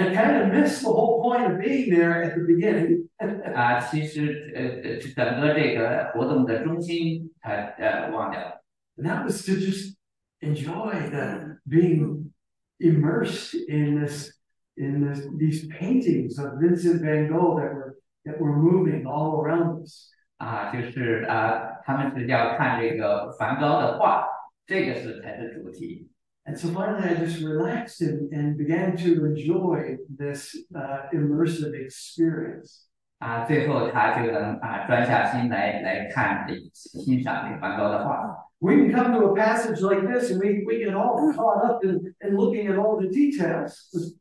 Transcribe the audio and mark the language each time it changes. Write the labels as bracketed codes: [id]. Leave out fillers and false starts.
[en] it kind of missed the whole point of being there at the beginning. [zh] 其实整个这个活动的中心他忘掉了。 [en] And that was to just enjoy the being immersed in this these paintings of Vincent Van Gogh that were. That we're moving all around us. [zh] 就是他们是要看这个梵高的画，这个是才是主题。 [en] And so finally, I just relaxed and began to enjoy this immersive experience. [zh] 最后他就能专下心来看欣赏这梵高的画。 [en] We can come to a passage like this, and we get all caught up in looking at all the details.